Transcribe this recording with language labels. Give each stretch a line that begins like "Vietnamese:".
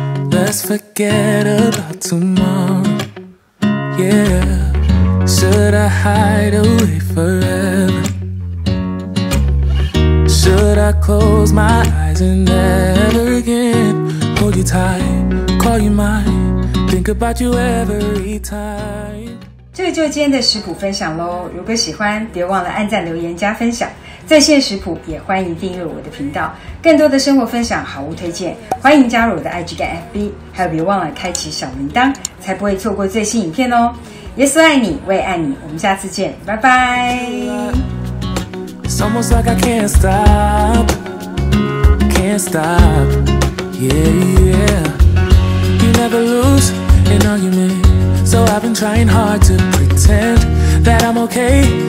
English: Let's forget about tomorrow, yeah. Should I hide away forever? Should I close my eyes and never again hold you tight, call you mine, think about you every time.
Chinese: 这个就是今天的食谱分享咯，如果喜欢别忘了按赞留言加分享，在线食谱也欢迎订阅我的频道，更多的生活分享好物推荐欢迎加入我的 IG 跟 FB， 还有别忘了开启小铃铛，才不会错过最新影片哦。耶稣爱你，我也爱你，我们下次见，拜拜。
English: Almost like I can't stop, can't stop, yeah, yeah. You never lose an argument, so I've been trying hard to pretend that I'm okay.